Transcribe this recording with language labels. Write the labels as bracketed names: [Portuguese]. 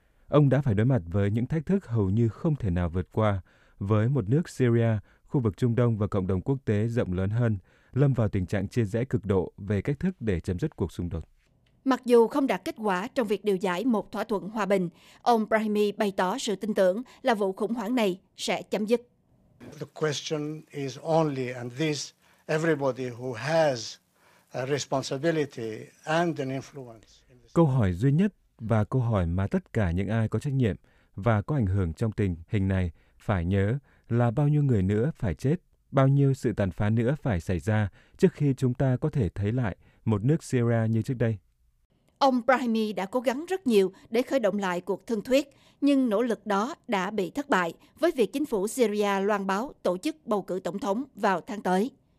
[Vietnamese] Ông đã phải đối mặt với những thách thức hầu như không thể nào vượt qua với một nước Syria, khu vực Trung Đông và cộng đồng quốc tế rộng lớn hơn, lâm vào tình trạng chia rẽ cực độ về cách thức để chấm dứt cuộc xung đột. Mặc dù không đạt kết quả trong việc điều giải một thỏa thuận hòa bình, ông Brahimi bày tỏ sự tin tưởng là vụ khủng hoảng này sẽ chấm dứt. [English] The question is only, and this everybody who has a responsibility and an influence. [Vietnamese] Câu hỏi duy nhất và câu hỏi mà tất cả những ai có trách nhiệm và có ảnh hưởng trong tình hình này phải nhớ là bao nhiêu người nữa phải chết, bao nhiêu sự tàn phá nữa phải xảy ra trước khi chúng ta có thể thấy lại một nước Syria như trước đây. Ông Brahimi đã cố gắng rất nhiều để khởi động lại cuộc thương thuyết, nhưng nỗ lực đó đã bị thất bại với việc chính phủ Syria loan báo tổ chức bầu cử tổng thống vào tháng tới.